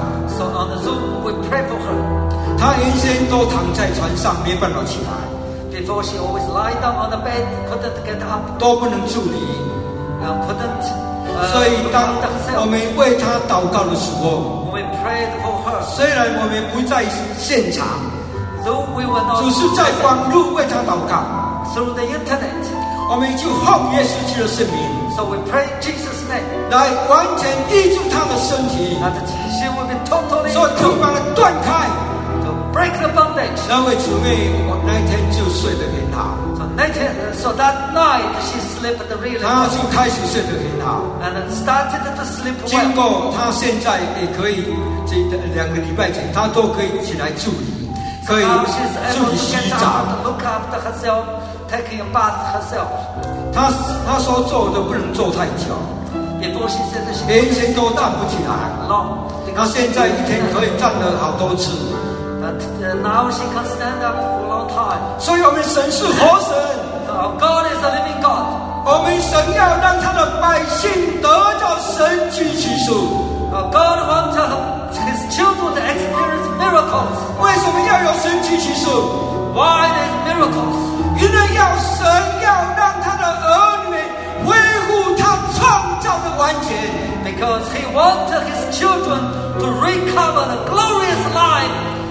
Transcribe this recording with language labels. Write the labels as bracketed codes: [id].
[en] So on the Zoom we pray for her. [zh] 她原先都躺在床上，没办法起来。 [en] Before she always lie down on the bed, couldn't get up. [zh] 都不能处理。 [en] Couldn't. [zh] 所以当我们为她祷告的时候， [en] we prayed for her. [zh] 虽然我们不在现场， [en] though we were not, [zh] 只是在网路为她祷告， [en] through the internet. [zh] 我们就奉耶稣基督的圣名， [en] so we pray Jesus' name. [zh] 来完全医治她的身体， [en] that she will be totally, [zh] 所以就把她断开， [en] to break the bondage. [zh] 那位姊妹我那天就睡得很好， [en] So that night she slept really well. [zh] 她就开始睡得很好， [en] and started to sleep well. [zh] 经过她现在也可以，这两个礼拜前她都可以起来助理，可以助理洗澡， [en] look after herself, taking a bath herself. [zh] 她说坐都不能坐太久， [en] before she said she [zh] 连前都站不起来， [en] long. [zh] 她现在一天可以站了好多次。 [en] But now she can stand up for a long time. [zh] 所以我们神是活神。 [en] So God is a living God. [zh] 我们神要让他的百姓得到神迹奇事。 [en] God wants his children to experience miracles. [zh] 为什么要有神迹奇事？ [en] Why there's miracles? [zh] 因为要神要让他的儿女们恢复他创造的完全。 [en] Because he wants his children to recover the glorious life.